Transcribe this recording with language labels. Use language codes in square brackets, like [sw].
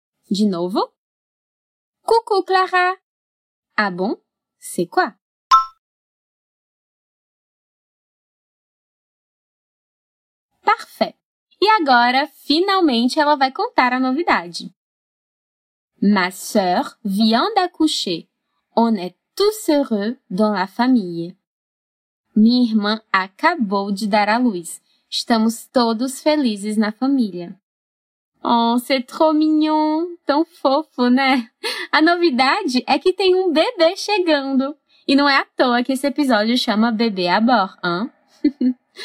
[pt] De novo? [fr] Coucou Clara! Ah bon? C'est quoi? Parfait! [pt] E agora, finalmente, ela vai contar a novidade. [fr] Ma sœur vient d'accoucher. On est tous heureux dans la famille. [pt] Minha irmã acabou de dar à luz. Estamos todos felizes na família. [fr] Oh, c'est trop mignon! [pt] Tão fofo, né? A novidade é que tem um bebê chegando. E não é à toa que esse episódio chama Bebê à Bord, hein?